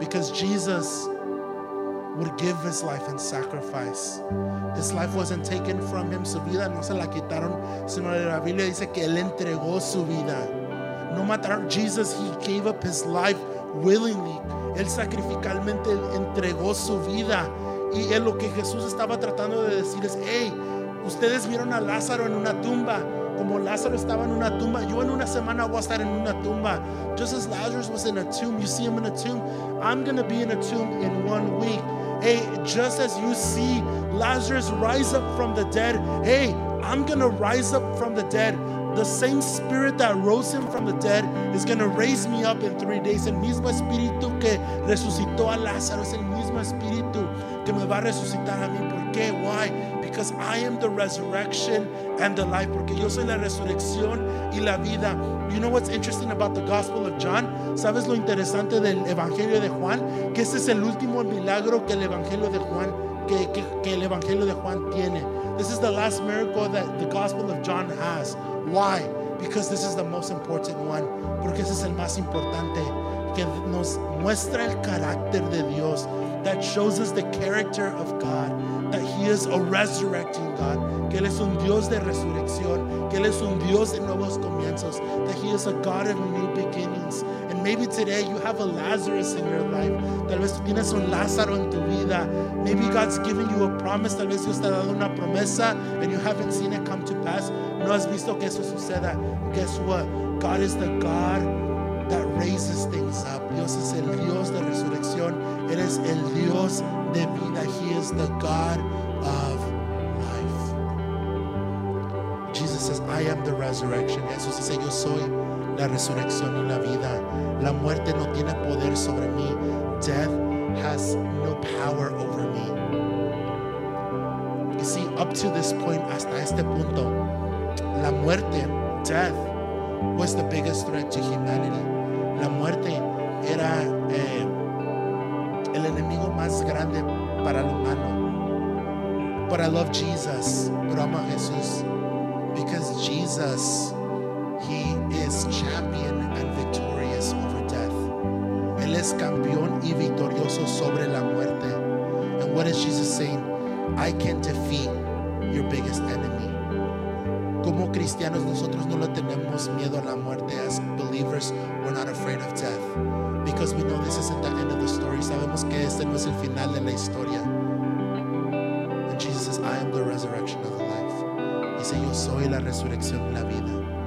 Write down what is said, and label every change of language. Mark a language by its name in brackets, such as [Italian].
[English] Because Jesus would give his life in sacrifice. His life wasn't taken from him. [Spanish] Su vida no se la quitaron, sino la Biblia dice que él entregó su vida. No mataron. [English] Jesus, he gave up his life willingly. [Spanish] Él sacrificalmente entregó su vida. Y él, lo que Jesús estaba tratando de decir es, hey, ustedes vieron a Lázaro en una tumba. Como Lázaro estaba en una tumba, yo en una semana voy a estar en una tumba. [English] Just as Lazarus was in a tomb, you see him in a tomb, I'm going to be in a tomb in 1 week. Hey, just as you see Lazarus rise up from the dead, hey, I'm going to rise up from the dead. The same spirit that rose him from the dead is going to raise me up in 3 days. [Spanish] El mismo espíritu que resucitó a Lázaro es el mismo espíritu que me va a resucitar a mí. ¿Por qué? [English] Why? Because I am the resurrection and the life. [Spanish] Porque yo soy la resurrección y la vida. [English] You know what's interesting about the Gospel of John? [Spanish] ¿Sabes lo interesante del Evangelio de Juan? Que ese es el último milagro que el Evangelio de Juan, que el Evangelio de Juan tiene. [English] This is the last miracle that the Gospel of John has. Why? Because this is the most important one. [Spanish] Porque ese es el más importante. Que nos muestra el carácter de Dios. [English] That shows us the character of God. That he is a resurrecting God. [Spanish] Que él es un Dios de resurrección. Que él es un Dios de nuevos comienzos. [English] That he is a God of new beginnings. And maybe today you have a Lazarus in your life. [Spanish] Tal vez tienes un Lázaro en tu vida. [English] Maybe God's giving you a promise. [Spanish] Tal vez Dios te ha dado una promesa. [English] And you haven't seen it come to pass. [Spanish] No has visto que eso suceda. [English] Guess what? God is the God that raises things up. [Spanish] Dios es el Dios de resurrección. Eres el Dios de vida. [English] He is the God of life. Jesus says, I am the resurrection. [Spanish] Jesús dice, yo soy la resurrección y la vida. La muerte no tiene poder sobre mí. [English] Death has no power over me. You see, up to this point, [Spanish] hasta este punto, la muerte, [English] death, was the biggest threat to humanity. [Spanish] La muerte era el enemigo más grande para el humano. [English] But I love Jesus, [Spanish] pero amo a Jesús, [English] because Jesus He is champion and victorious over death. [Spanish] Él es campeón y victorioso sobre la muerte. [English] And what is Jesus saying? I can defeat your biggest enemy. [Spanish] Como cristianos, nosotros no le tenemos miedo a la muerte. [English] As believers, we're not afraid of death. Because we know this isn't the end of the story. [Spanish] Sabemos que este no es el final de la historia. [English] And Jesus says, I am the resurrection of the life. [Spanish] Dice, yo soy la resurrección y la vida.